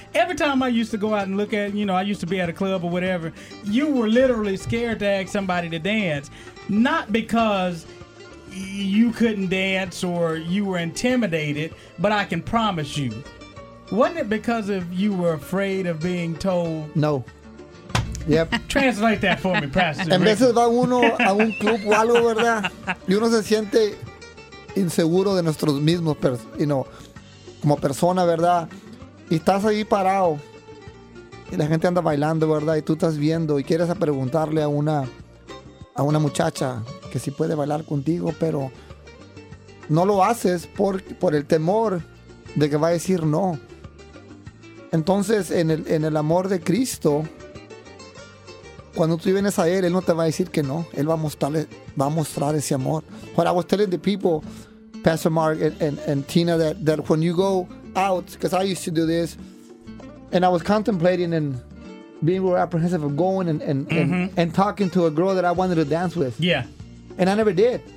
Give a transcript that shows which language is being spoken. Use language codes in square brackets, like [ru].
[en] Every time I used to go out and look at, you know, I used to be at a club or whatever, you were literally scared to ask somebody to dance. Not because you couldn't dance or you were intimidated, but I can promise you, wasn't it because of you were afraid of being told? No. Yep. Translate that for me, Pastor. [es] En vez de uno a un club o algo, ¿verdad? Y uno se siente inseguro de nosotros mismos, you know, como persona, ¿verdad? Y estás ahí parado y la gente anda bailando, ¿verdad? Y tú estás viendo y quieres preguntarle a una... a una muchacha que sí puede bailar contigo, pero no lo haces por el temor de que va a decir no. Entonces, en el amor de Cristo, cuando tú vienes a Él, Él no te va a decir que no. Él va a mostrar ese amor. [en] What I was telling the people, Pastor Mark and Tina, that when you go out, because I used to do this, and I was contemplating and being real apprehensive of going and talking to a girl that I wanted to dance with. Yeah. And I never did.